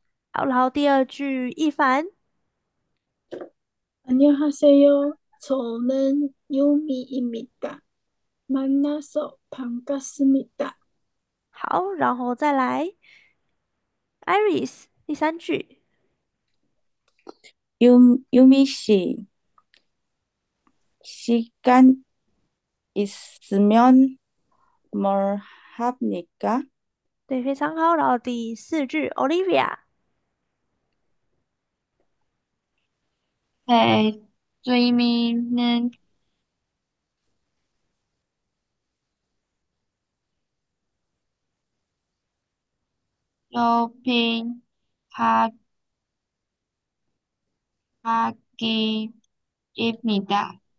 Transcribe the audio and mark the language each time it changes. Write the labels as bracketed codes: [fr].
[zh] 好，然后第二句，一凡。 [ko] 안녕하세요. 저는 유미입니다. 만나서 반갑습니다. [zh] 好，然后再来，Iris 第三句。 [ko] 유미 씨, 시간 있으면 뭘 합니까? [zh] 对，非常好。然后第四句，Olivia。 [ko] 네, 저희는 여빈 가기입니다.